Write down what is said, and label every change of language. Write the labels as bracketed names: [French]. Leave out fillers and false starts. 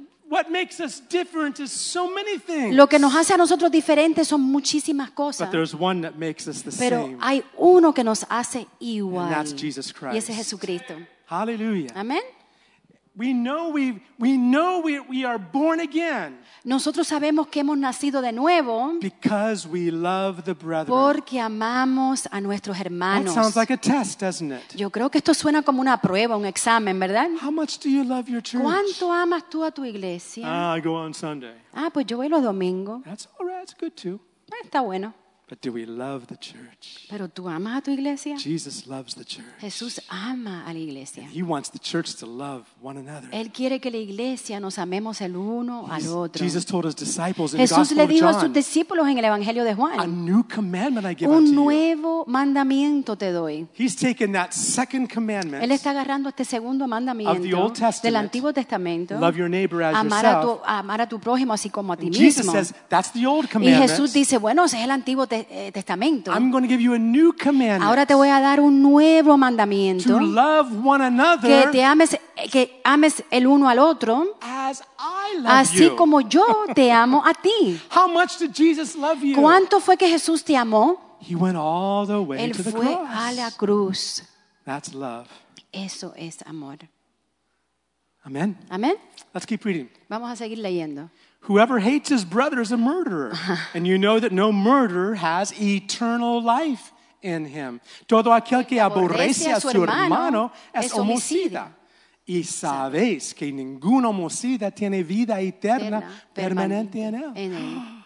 [English] What makes us different is so many things. [Spanish] Lo que nos hace a nosotros diferentes son muchísimas cosas. [English] But there's one that makes us the [Spanish] pero [English] same. [Spanish] Pero hay uno que nos hace igual. [English] And that's Jesus Christ. [Spanish] Y ese es Jesucristo. [English] Hallelujah. Amen. We know we are born again. [Spanish] Nosotros sabemos que hemos nacido de nuevo. [English] Because we love the brethren. [Spanish] Porque amamos a nuestros hermanos. [English] That sounds like a test, doesn't it? [Spanish] Yo creo que esto suena como una prueba, un examen, ¿verdad? [English] How much do you love your church? [Spanish] ¿Cuánto amas tú a tu iglesia? [English] I go on Sunday. [Spanish] Ah, pues yo voy los domingos. [English] That's all right. That's good too. [Spanish] Está bueno. [English] But do we love the church? [Spanish] ¿Pero tú amas a tu iglesia? [English] Jesus loves the church. [Spanish] Jesús ama a la iglesia. [English] And he wants the church to love one another. [Spanish] Él quiere que la iglesia nos amemos el uno al otro. [English] Jesus told his disciples in [Spanish] Jesús [English] the Gospel [Spanish] le dijo [English] of John, [Spanish] a sus discípulos en el Evangelio de Juan, [English] a new commandment I give [Spanish] un [English] unto [Spanish] nuevo [English] you. [Spanish] Mandamiento te doy. [English] He's taken that second commandment. [Spanish] Él está agarrando este segundo mandamiento [English] of the Old Testament, [Spanish] del Antiguo Testamento. [English] Love your neighbor as [Spanish] amar [English] yourself. [Spanish] Amar a tu prójimo así como a ti [English] and [Spanish] mismo. [English] Jesus says, that's the old commandment. [Spanish] Y Jesús dice, bueno, ese es el Antiguo Testamento. [English] I'm going to give you a new commandment. [Spanish] Ahora te voy a dar un nuevo mandamiento. [English] To love one another. [Spanish] Que te ames, que ames el uno al otro. [English] As I love [Spanish] así [English] you. [Spanish] Así como yo te amo a ti. [English] How much did Jesus love you? [Spanish] ¿Cuánto fue que Jesús te amó? [English] He went all the way [Spanish] él [English] to the [Spanish] fue [English] cross. [Spanish] A la cruz. [English] That's love. [Spanish] Eso es amor. Amen. Amen. [English] Let's keep reading. [Spanish] Vamos a seguir leyendo. [English] Whoever hates his brother is a murderer. And you know that no murderer has eternal life in him. [Spanish] Todo aquel que aborrece a su hermano es homicida. Y sabéis que ningún homicida tiene vida eterna permanente en él.